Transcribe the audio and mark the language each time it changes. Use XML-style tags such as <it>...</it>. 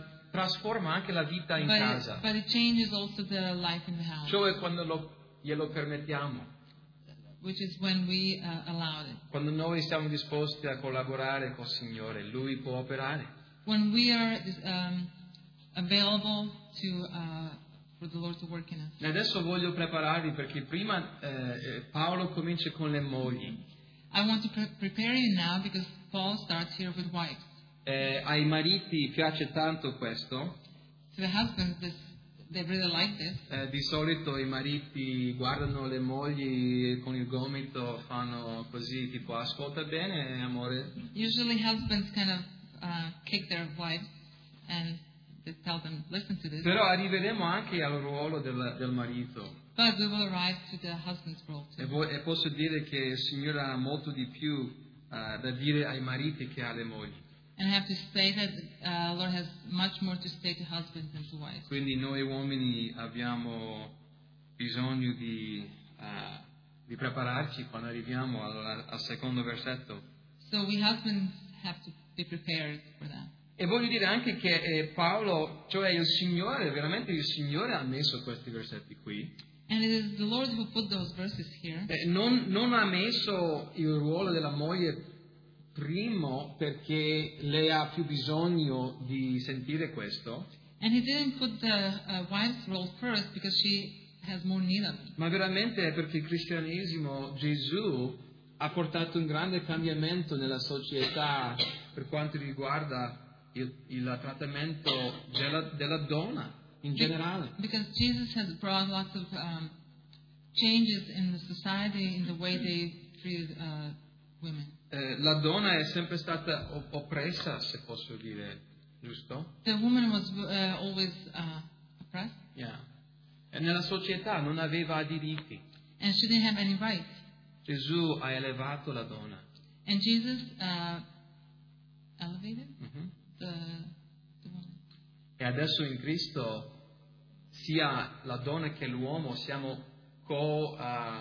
<it>trasforma anche la vita in casa.</it> <en>But it changes also the life in the house.</en> <it>Cioè quando glielo permettiamo.</it> <en>Which is when we allow it.</en> <it>Quando noi siamo disposti a collaborare col Signore, Lui può operare.</it> <en>When we are available to for the Lord to work in us.</en> <it>E adesso voglio prepararvi perché prima Paolo comincia con le mogli.</it> <en>I want to prepare you now because Paul starts here with wives.</en> <it>Ai mariti piace tanto questo.</it> <en>To the husbands, they really like this.</en> <it>Di solito i mariti guardano le mogli con il gomito, fanno così, tipo ascolta bene, amore.</it> <en>Usually husbands kind of kick their wives and they tell them, listen to this.</en> <it>Però arriveremo anche al ruolo del marito.</it> <en>But we will arrive to the husband's role too.</en> <it>E posso dire che il Signore ha molto di più da dire ai mariti che alle mogli.</it> <en>And I have to say that the Lord has much more to say to husbands than to wives.</en> <it>Quindi noi uomini abbiamo bisogno di prepararci quando arriviamo al secondo versetto.</it> <en>So we husbands have to be prepared for that.</en> <it>E voglio dire anche che Paolo, cioè il Signore, veramente il Signore ha messo questi versetti qui.</it> <en>And it is the Lord who put those verses here.</en> <it>Non ha messo il ruolo della moglie primo perché lei ha più bisogno di sentire questo.</it> <en>And he didn't put the wife's role first because she has more need of it.</en> <it>Ma veramente è perché il cristianesimo, Gesù, ha portato un grande cambiamento nella società per quanto riguarda il trattamento della donna in generale.</it> <en>Because Jesus has brought lots of changes in the society in the way they treat women.</en> <it>La donna è sempre stata oppressa, se posso dire, giusto?</it> <en>The woman was always oppressed. Yeah.</en> <it>E nella società non aveva diritti.</it> <en>And she didn't have any rights.</en> <it>Gesù ha elevato la donna.</it> <en>And Jesus elevated the woman.</en> <it>E adesso in Cristo sia la donna che l'uomo siamo co-heirs.</it>